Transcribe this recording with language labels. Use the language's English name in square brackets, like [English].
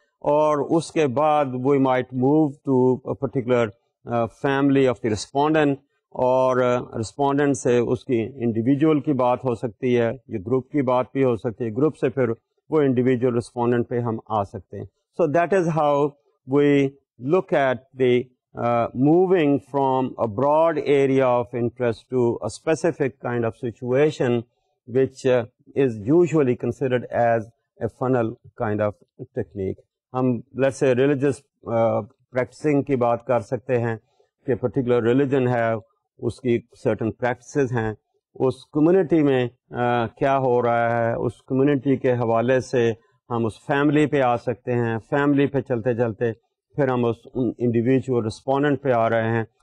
[Urdu] اور اس کے بعد [English] we might move to particular family of the respondent, [Urdu] اور رسپونڈنٹ سے اس کی انڈیویجول کی بات ہو سکتی ہے, یہ گروپ کی بات بھی ہو سکتی ہے, گروپ سے پھر وہ انڈیویجول رسپونڈنٹ پہ ہم آ سکتے ہیں. [English] So that is how we look at the moving from a broad area of interest to a specific kind of situation which is usually considered as a funnel kind of technique. [Urdu] ہم [English] let's say religious practising [Urdu] کی بات کر سکتے ہیں کہ particular religion ہے, اس کی certain practices ہیں, اس کمیونٹی میں کیا ہو رہا ہے, اس کمیونٹی کے حوالے سے ہم اس فیملی پہ آ سکتے ہیں, فیملی پہ چلتے چلتے پھر ہم اس انڈیویجول رسپونڈنٹ پہ آ رہے ہیں.